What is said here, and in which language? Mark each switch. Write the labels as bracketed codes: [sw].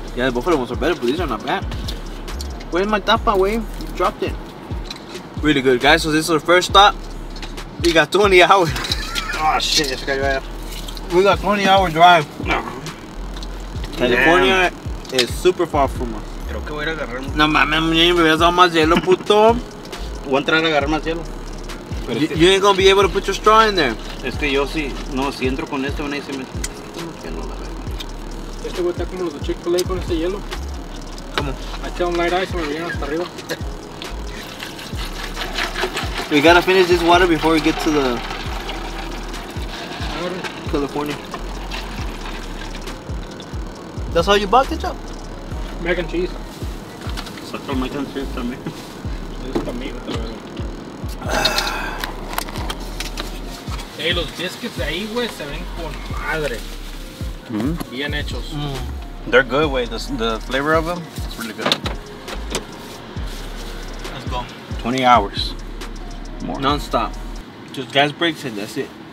[en] Yeah, the buffalo ones are better, but these are not bad. Where's my tapa, wey? You dropped it. Really good, guys. So this is our first stop. We got 20 hours. Oh shit, this guy right. We got 20 hour drive. No. California is super far from us. [es] Creo que voy a agarrar un... No mames, me hubieras dado más hielo, puto. Voy a entrar a agarrar más hielo. [en] You ain't gonna be able to put your straw in there. [es] Es que yo sí. No, si entro con este, van a decirme. Este güey está como los de Chick-fil-A con este hielo. ¿Cómo? [en] I tell them light ice, [es] me vienen hasta arriba. [en] We gotta finish this water before we get to the California. That's all you bought, ketchup? Mac and cheese. Suck on mac and cheese, [es] también. [en] This is for me, with the regular. [es] Hey, los biscuits de ahí, güey, se ven con madre. Mm-hmm. Bien hechos. Mm. [en] They're good, güey. The flavor of them is really good. Let's go. 20 hours. More. Non-stop. Just gas brakes and that's it.